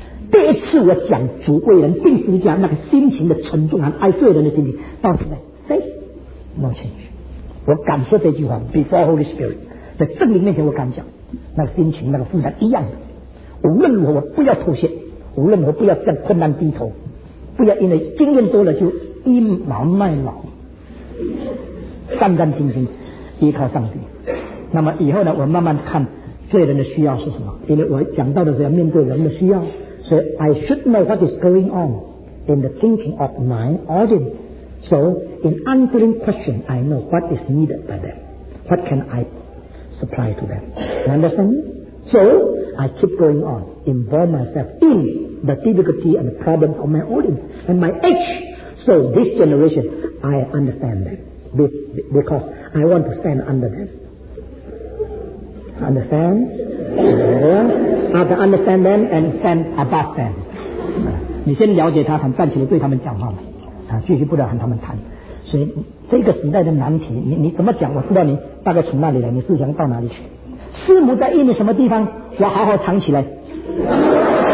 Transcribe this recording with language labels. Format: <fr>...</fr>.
<zh>第一次我讲主为人定十字架那个心情的沉重和爱罪人的心情，到现在</zh> <en>say no change，</en> <zh>我感受这句话</zh> <en>before Holy Spirit，</en> <zh>在圣灵面前我敢讲，那个心情那个负担一样的，无论如何我不要妥协，无论如何不要向困难低头，不要因为经验多了就倚老卖老，战战兢兢依靠上帝。那么以后呢，我慢慢看罪人的需要是什么，因为我讲到的是要面对人的需要，所以</zh> <en>I should know what is going on in the thinking of my audience， so in answering question I know what is needed by them， what can I supply to them. You understand me? So, I keep going on, involve myself in the difficulty and the problem of my audience and my age. So this generation, I understand them because I want to stand under them. Understand? Yeah. I have to understand them and stand above them.</en> <zh>你先了解他，很站起来对他们讲话嘛，啊，继续不断和他们谈。所以这个时代的难题，你怎么讲？我知道你大概从那里来，你思想到哪里去？师母在印尼什么地方？我好好藏起来。</zh>